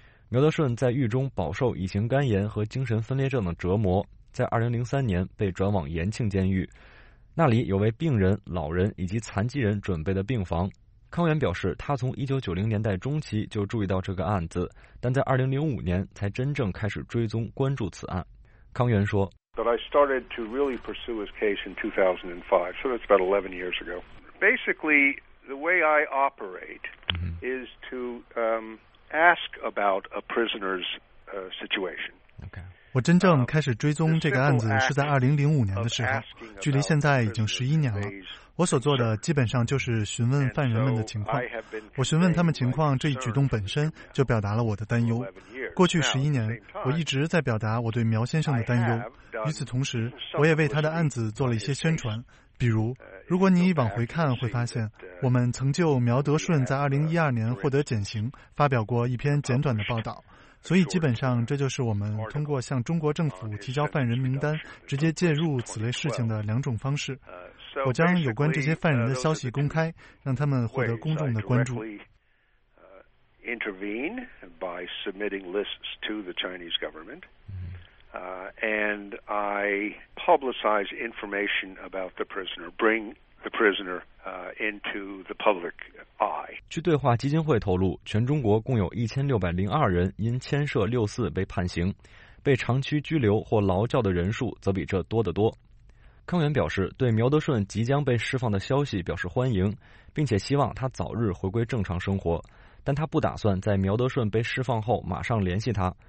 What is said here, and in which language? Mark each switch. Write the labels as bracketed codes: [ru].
[zh] 苗德顺在狱中饱受乙型肝炎和精神分裂症的折磨，在2003年被转往延庆监狱，那里有为病人、老人以及残疾人准备的病房。康源表示，他从1990年代中期就注意到这个案子，但在2005年才真正开始追踪关注此案。康源说 [en] But I started to really pursue his case in 2005, so that's about 11 years ago. Basically, the way I operate is to ask about a prisoner's situation. Okay. [zh] 我真正开始追踪这个案子是在2005年的时候，距离现在已经11年了。我所做的基本上就是询问犯人们的情况。我询问他们情况，这一举动本身就表达了我的担忧。过去11年，我一直在表达我对苗先生的担忧。与此同时，我也为他的案子做了一些宣传，比如如果你往回看，会发现我们曾就苗德顺在2012年获得减刑发表过一篇简短的报道。所以基本上这就是我们通过向中国政府提交犯人名单直接介入此类事情的两种方式。我将有关这些犯人的消息公开，让他们获得公众的关注。 [en] Intervene by submitting lists to the Chinese government, and I publicize information about the prisoner, bring the prisoner into the public. [zh] 据对话基金会透露，全中国共有1602人因牵涉六四被判刑，被长期拘留或劳教的人数则比这多得多。康源表示，对苗德顺即将被释放的消息表示欢迎，并且希望他早日回归正常生活，但他不打算在苗德顺被释放后马上联系他。